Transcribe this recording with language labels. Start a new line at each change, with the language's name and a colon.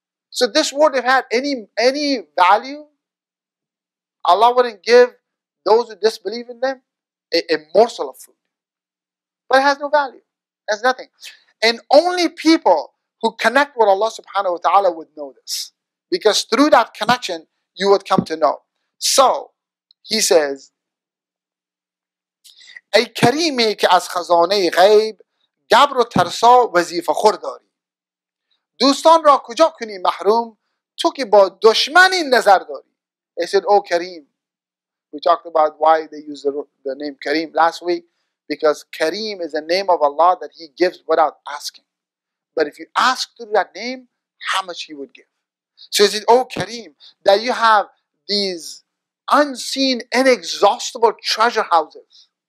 English: So this world, if it had any value, Allah wouldn't give those who disbelieve in them a morsel of food. But it has no value. It has nothing. And only people who connect with Allah subhanahu wa ta'ala would know this. Because through that connection, you would come to know. So, he says,
Persian: ای کریمی که از خزانه غیب گبر و ترسا وظیفه خور داری. دوستان را کجا کنی محروم تو که با دشمنی نظر داری.
English: He said, oh Kareem. We talked about why they use the name Kareem last week. Because Kareem is a name of Allah that he gives without asking. But if you ask through that name, how much he would give. So he said, oh Kareem, that you have these unseen, inexhaustible treasure houses.